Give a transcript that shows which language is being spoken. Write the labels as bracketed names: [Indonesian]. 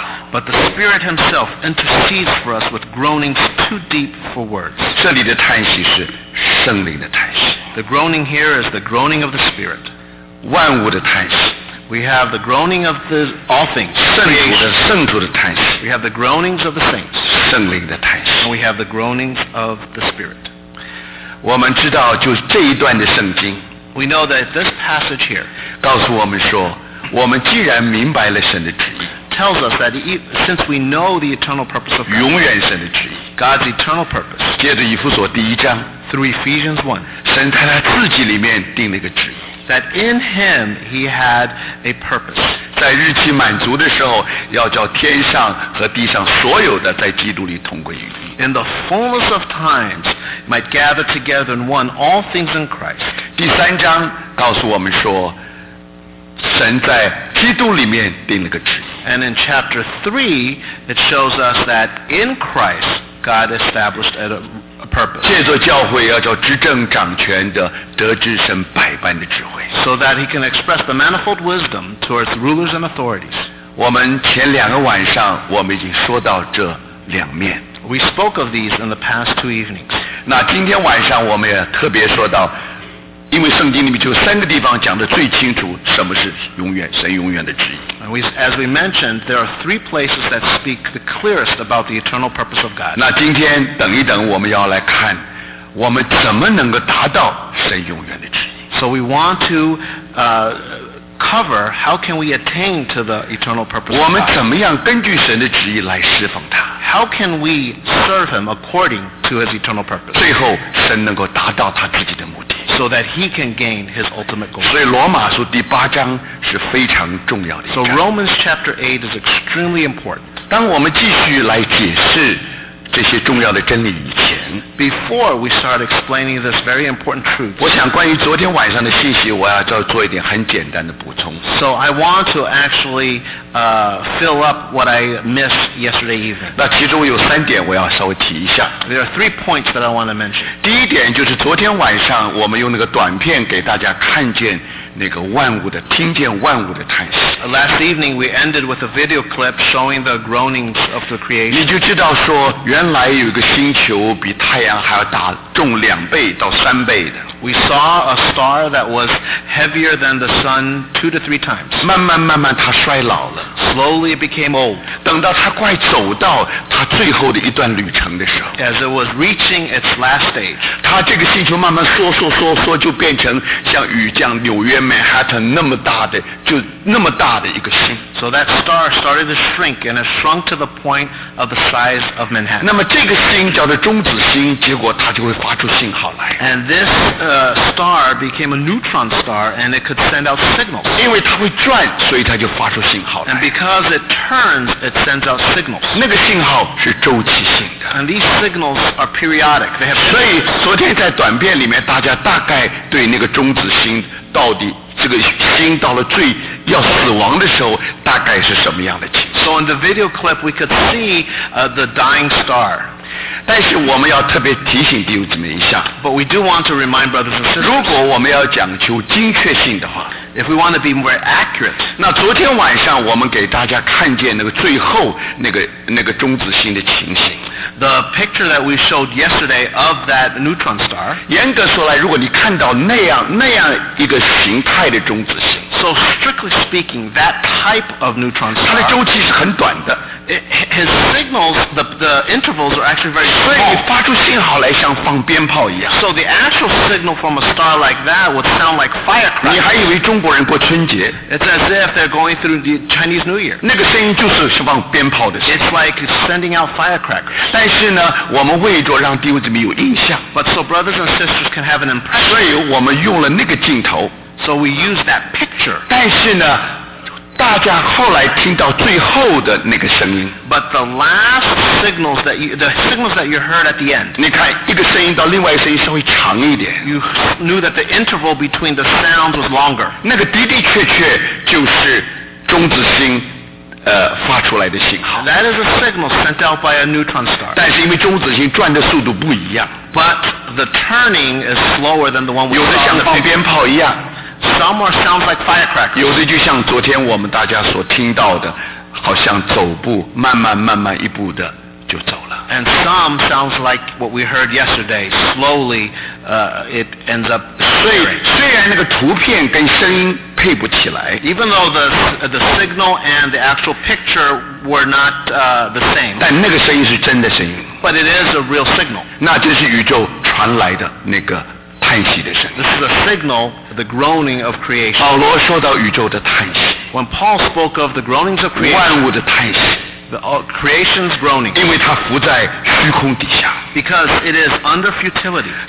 [English] But the Spirit Himself intercedes for us with groanings too deep for words. [Chinese] 这里的叹息是圣灵的叹息。 [English] The groaning here is the groaning of the Spirit. [Chinese] 万物的叹息。 [English] We have the groaning of the all things. [Chinese] 圣徒的叹息。 [English] We have the groanings of the saints. [Chinese] 圣灵的叹息。 [English] And we have the groanings of the Spirit. [Chinese] 我们知道就是这一段的圣经。 [English] We know that this passage here [Chinese] 告诉我们说我们既然明白了神的旨意 [English] tells us that since we know the eternal purpose of God, [Chinese] 永远神的旨意 [English] God's eternal purpose [Chinese] 接着以弗所第一章 [English] through Ephesians 1 [Chinese] 神在他自己里面定了一个旨意 [English] that in him he had a purpose [Chinese] 在日期满足的时候要叫天上和地上所有的在基督里同归于尽 [English] in the fullness of times might gather together in one all things in Christ [Chinese] 第三章告诉我们说神在基督里面定了个旨意。 [English] And in chapter 3, it shows us that in Christ, God established a purpose. [Chinese] 借着教会要叫执政掌权的得知神百般的智慧。 [English] So that he can express the manifold wisdom towards rulers and authorities. [Chinese] 我们前两个晚上我们已经说到这两面。 [English] We spoke of these in the past two evenings. [Chinese] 那今天晚上我们也特别说到，因为圣经里面就三个地方讲得最清楚什么是永远，神永远的旨意。 [English] As we mentioned, there are three places that speak the clearest about the eternal purpose of God. [Chinese] 那今天等一等我们要来看我们怎么能够达到神永远的旨意。 [English] So we want to cover how can we attain to the eternal purpose of God. [Chinese] 我们怎么样根据神的旨意来侍奉他。 [English] How can we serve him according to his eternal purpose? [Chinese] 最后神能够达到他自己的目的。 [English] So that he can gain his ultimate goal. [Chinese] 所以罗马书第八章是非常重要的。 [English] So Romans chapter 8 is extremely important. [Chinese] 当我们继续来解释这些重要的真理以前， [English] Before we start explaining this very important truth, [Chinese] 我想关于昨天晚上的信息，我要再做一点很简单的补充。 [English] So I want to actually fill up what I missed yesterday evening. [Chinese] 那其中有三点我要稍微提一下。 [English] There are three points that I want to mention. [Chinese] 第一点就是昨天晚上我们用那个短片给大家看见那个万物的，听见万物的叹息。 [English] Last evening we ended with a video clip showing the groanings of the creation. [Chinese] 你就知道说原来有一个星球比太阳还要大，重两倍到三倍的。 [English] We saw a star that was heavier than the sun 2 to 3 times. [Chinese] 慢慢慢慢它衰老了。 [English] Slowly it became old. [Chinese] 等到它快走到它最后的一段旅程的时候。 [English] As it was reaching its last stage. [Chinese] 它这个星球慢慢缩缩缩缩，就变成像雨降纽约Manhattan 那么大的，就那么大的一个星。 [English] So that star started to shrink and it shrunk to the point of the size of Manhattan. [Chinese] 那么这个星叫做中子星，结果它就会发出信号来。 [English] And this star became a neutron star and it could send out signals. [Chinese] 因为它会转，所以它就发出信号来。 [English] And because it turns, it sends out signals. [Chinese] 那个信号是周期性的。 [English] And these signals are periodic. They have. [Chinese] 所以昨天在短片里面，大家大概对那个中子星。到底这个星到了最要死亡的时候大概是什么样的情况。 [English] So in the video clip we could see the dying star. [Chinese] 但是我们要特别提醒弟兄姊妹一下， [English] But we do want to remind brothers and sisters, [Chinese] 如果我们要讲求精确性的话， [English] If we want to be more accurate, [Chinese] 那昨天晚上我们给大家看见那个最后那个中子星的情形， [English] The picture that we showed yesterday of that neutron star, [Chinese] 严格说来如果你看到那样一个形态的中子星， [English] So strictly speaking, that type of neutron star, [Chinese] 它的周期是很短的。 [English] His signals, the intervals are actually very small. [Chinese] 所以发出信号来像放鞭炮一样。 [English] So the actual signal from a star like that would sound like firecrackers. [Chinese] 你还以为中国人过春节。 [English] It's as if they're going through the Chinese New Year. [Chinese] 那个声音就是放鞭炮的声音。 [English] It's like sending out firecrackers. [Chinese] 但是呢，我们为着让弟兄姊妹有印象。 [English] But so brothers and sisters can have an impression. [Chinese] 所以我们用了那个镜头。 [English] So we use that picture. [Chinese] 但是呢，大家后来听到最后的那个声音。 [English] But the last signals that you, the signals that you heard at the end. [Chinese] 你看一个声音到另外一个声音稍微长一点。 [English] You knew that the interval between the sounds was longer. [Chinese] 那个的的确确就是中子星发出来的信号。 [English] That is a signal sent out by a neutron star. [Chinese] 但是因为中子星转的速度不一样。 [English] But the turning is slower than the one we saw in the [Chinese] picture. 有的像放鞭炮一样。 [English] Some are sounds like firecrackers. [Chinese] 有的就像昨天我们大家所听到的，好像走步，慢慢慢慢一步的就走了。 [English] And some sounds like what we heard yesterday. Slowly, it ends up. [Chinese] 虽然那个图片跟声音配不起来。 [English] Even though the signal and the actual picture were not the same. [Chinese] 但那个声音是真的声音。 [English] But it is a real signal. [Chinese] 那就是宇宙传来的那个。 [English] This is a signal, the groaning of creation. [Chinese] 保罗说到宇宙的叹息。 [English] When Paul spoke of the groanings of creation, [Chinese] 万物的叹息。 [English] The creation's groaning. [Chinese] 因为它浮在虚空底下。 [English] Because it is under futility.